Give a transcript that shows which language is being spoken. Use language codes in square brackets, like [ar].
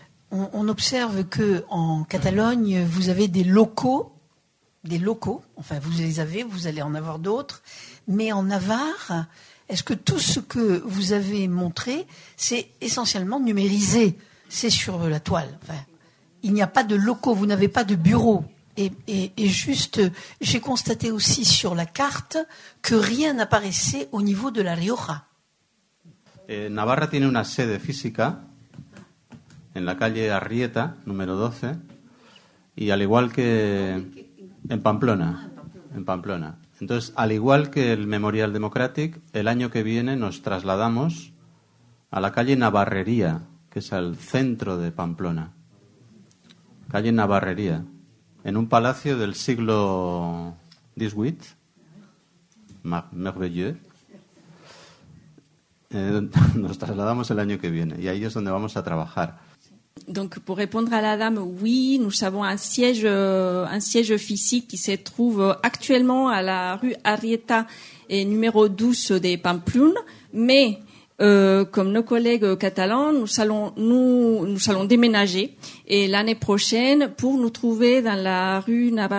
[fr] On observe que en Catalogne, vous avez des locaux, enfin vous les avez, vous allez en avoir d'autres, mais en Navarre, est-ce que tout ce que vous avez montré, c'est essentiellement numérisé, c'est sur la toile, enfin, il n'y a pas de locaux, vous n'avez pas de bureaux, et juste, j'ai constaté aussi sur la carte que rien n'apparaissait au niveau de la Rioja. [es] Navarra tiene una sede física en la calle Arrieta número 12, y al igual que En Pamplona. Entonces, al igual que el Memorial Democratic, el año que viene nos trasladamos a la calle Navarrería, que es al centro de Pamplona. Calle Navarrería, en un palacio del siglo XVIII, [fr] merveilleux. [es] Nos trasladamos el año que viene y ahí es donde vamos a trabajar. [fr] Donc pour répondre à la dame, oui, nous avons un siège physique qui se trouve actuellement à la rue Arrieta et numéro 12 de Pamplune, mais comme nos collègues catalans, nous allons déménager et l'année prochaine pour nous trouver dans la rue